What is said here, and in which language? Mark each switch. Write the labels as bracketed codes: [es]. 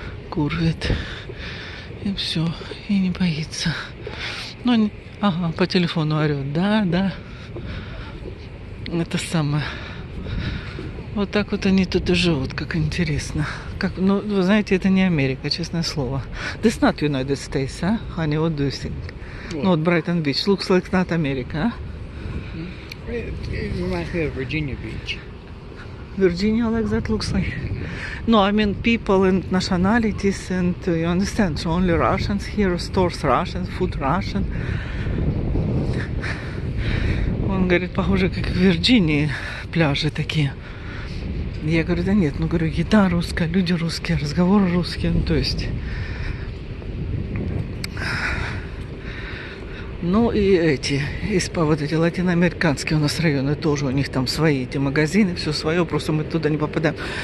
[ru] Курвит. И все. И не боится. Но не... Ага, по телефону орёт. Да, да. Это самое. Вот так вот они тут и живут, как интересно. Как, ну, вы знаете, это не Америка, честное слово. [en] This not United States, а? Honey, what do you think? What? [ru] Ну, вот Брайтон Бич. [en] Looks like not America, а? It reminds me of Virginia Beach. Virginia, like that looks like. No, I mean people and nationalities and you understand, so only Russians here, stores Russian, food Russian. [ru] Он говорит, похоже, как в Вирджинии пляжи такие. Я говорю, да нет, ну говорю, еда русская, люди русские, разговоры русские, ну то есть. Ну и эти, вот эти латиноамериканские у нас районы тоже, у них там свои эти магазины, все свое, просто мы туда не попадаем.